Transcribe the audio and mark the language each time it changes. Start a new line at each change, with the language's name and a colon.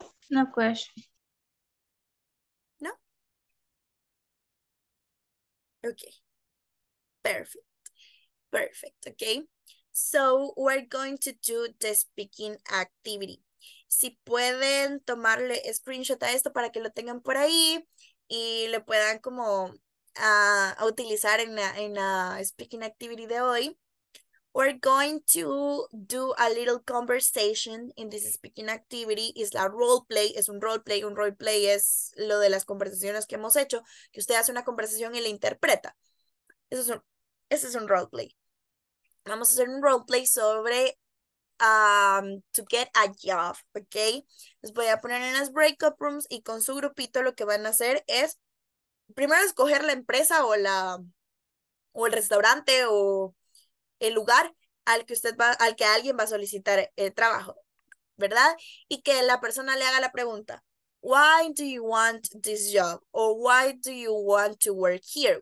English: No question. No? Okay. Perfect, okay. So we're going to do the speaking activity.
Spanish: Si pueden tomarle screenshot a esto para que lo tengan por ahí y le puedan como utilizar en la speaking activity de hoy.
English: We're going to do a little conversation in this speaking activity. It's a role play.
Spanish: Es un role play. Un role play es lo de las conversaciones que hemos hecho, que usted hace una conversación y la interpreta. Ese es un roleplay. Vamos a hacer un roleplay sobre
English: to get a job,
Spanish: ¿ok? Les voy a poner en las breakout rooms y con su grupito lo que van a hacer es primero escoger la empresa o el restaurante o el lugar al que alguien va a solicitar el trabajo, ¿verdad? Y que la persona le haga la pregunta.
English: Why do you want this job? Or why do you want to work here?